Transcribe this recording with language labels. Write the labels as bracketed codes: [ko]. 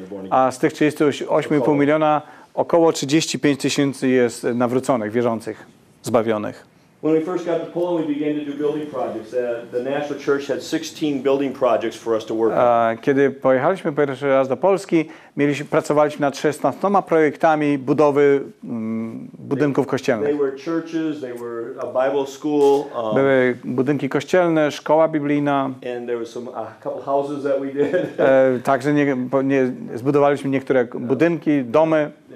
[pl] A z tych 38,5 miliona około 35 tysięcy jest nawróconych, wierzących, zbawionych. [en] When we first got to Poland, we began to do building projects. The National Church had 16 building projects for us to work on. [pl] Kiedy pojechaliśmy pierwszy raz do Polski, pracowaliśmy nad 16 projektami budowy budynków kościelnych. [en] They were churches, they were a Bible school. [pl] Były budynki kościelne, szkoła biblijna. [en] And there were some a couple houses that we did. [pl] Także zbudowaliśmy niektóre budynki, domy.